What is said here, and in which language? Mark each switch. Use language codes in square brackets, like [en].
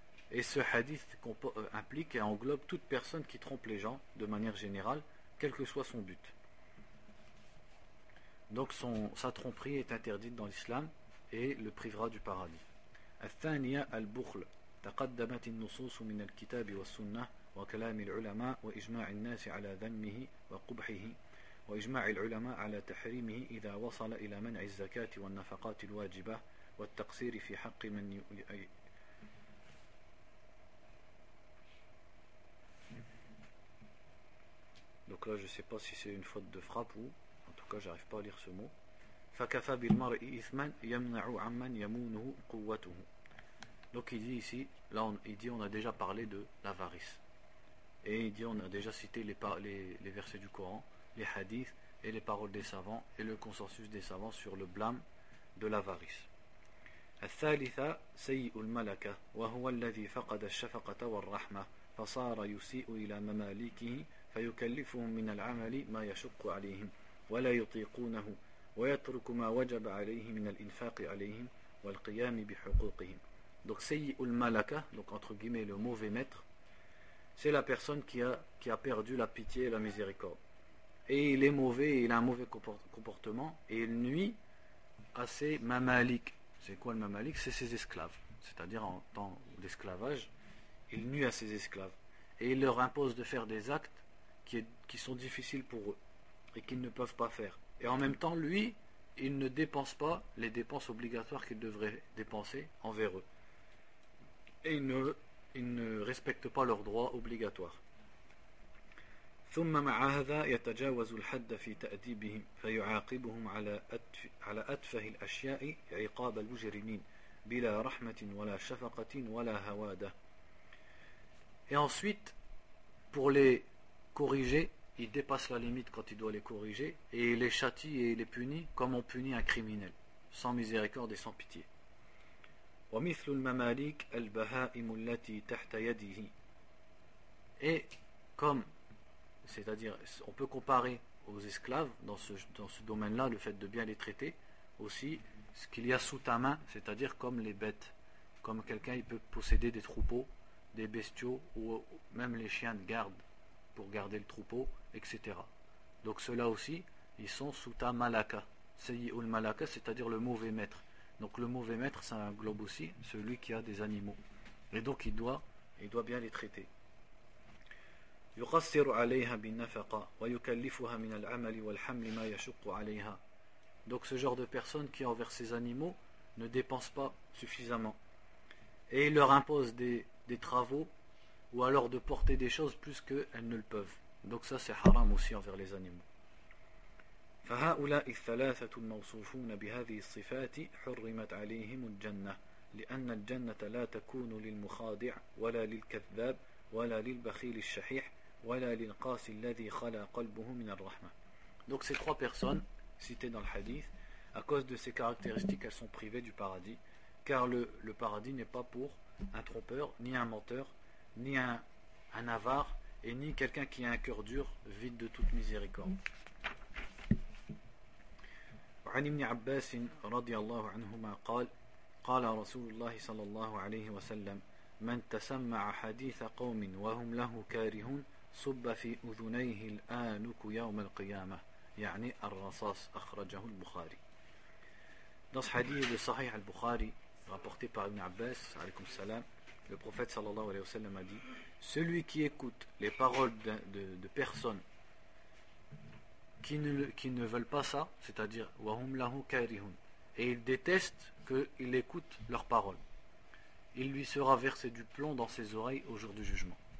[fr] Et ce hadith implique et englobe toute personne qui trompe les gens de manière générale, quel que soit son but. Donc sa tromperie est interdite dans l'islam et le privera du paradis. [ar] الثانية البخل تقدمت النصوص من الكتاب والسنة وكلام العلماء وإجماع الناس على ذمه وقبحه وإجماع العلماء على تحريمه إذا وصل إلى منع الزكاة والنفقات الواجبة والتقصير في حق من [fr] Donc là, je ne sais pas si c'est une faute de frappe ou, en tout cas, j'arrive pas à lire ce mot. [ar] فكفى بالمرء إثما يمنع عمن يمونه قوته. [fr] Donc il dit ici, là, on a déjà parlé de l'avarice. Et il dit, on a déjà cité les versets du Coran, les hadiths et les paroles des savants et le consensus des savants sur le blâme de l'avarice. [ar] الثالثة سيء الملكة وهو الذي فقد الشفقة والرحمة فصار يسيء إلى مماليكه فيكلفهم من العمل ما يشق عليهم ولا يطيقونه ويترك ما وجب عليه من الإنفاق عليهم والقيام بحقوقهم. [fr] Donc [ar] سيء الملكة, [fr] donc entre guillemets le mauvais maître, c'est la personne qui a perdu la pitié et la miséricorde, et il est mauvais et il a un mauvais comportement et il nuit à ses mamaliques. C'est quoi le mamalik? C'est ses esclaves. C'est-à-dire, en temps d'esclavage, il nuit à ses esclaves. Et il leur impose de faire des actes qui sont difficiles pour eux et qu'ils ne peuvent pas faire. Et en même temps, lui, il ne dépense pas les dépenses obligatoires qu'il devrait dépenser envers eux. Et il ne respecte pas leurs droits obligatoires. [ar] ثم مع هذا يتجاوز الحد في تأديبهم فيعاقبهم على أتفه الأشياء عقاب المجرمين بلا رحمة ولا شفقة ولا هوادة. [fr] Et ensuite, pour les corriger, il dépasse la limite quand il doit les corriger et il les châtie et il les punit comme on punit un criminel, sans miséricorde et sans pitié. [ar] ومثل المماليك البهائم التي تحت يديه. [fr] Et comme, c'est-à-dire, on peut comparer aux esclaves dans ce domaine-là, le fait de bien les traiter, aussi ce qu'il y a sous ta main, c'est-à-dire comme les bêtes, comme quelqu'un il peut posséder des troupeaux, des bestiaux ou même les chiens de garde pour garder le troupeau, etc. Donc ceux-là aussi, ils sont sous ta malaka, sayyul malaka, c'est-à-dire le mauvais maître. Donc le mauvais maître, ça englobe aussi celui qui a des animaux, et donc il doit bien les traiter. [ar] يقصر عليها بالنفقة ويكلفها من العمل والحمل ما يشق عليها. [fr] Donc ce genre de personne qui envers ses animaux ne dépense pas suffisamment et il leur impose des travaux ou alors de porter des choses plus qu'elles ne le peuvent. Donc ça c'est haram aussi envers les animaux. [ar] فهؤلاء الثلاثة الموصوفون بهذه الصفات حرمت عليهم الجنة لأن الجنة لا تكون للمخادع ولا للكذاب ولا للبخيل الشحيح ولا للقاس الذي خلا قلبه من الرحمة. [fr] Donc ces trois personnes citées dans le hadith, à cause de ces caractéristiques, elles sont privées du paradis, car le paradis n'est pas pour un trompeur, ni un menteur, ni un avare, et ni quelqu'un qui a un cœur dur, vide de toute miséricorde. [ar] عن ابن عباس رضي الله عنهما قال قال رسول الله صلى الله عليه وسلم من تسمع حديث قوم وهم له كارهون صب في أذنيه الآنك يوم القيامة يعني الرصاص أخرجه البخاري. [fr] Dans ce hadith de Sahih al-Bukhari rapporté par Ibn Abbas alaykoum salam, le prophète [ar] صلى الله عليه وسلم [fr] a dit: celui qui écoute les paroles de personnes qui ne veulent pas ça, c'est-à-dire [ar] wahum lahu karihun, [fr] et ils détestent qu'il écoute leurs paroles, il lui sera versé du plomb dans ses oreilles au jour du jugement.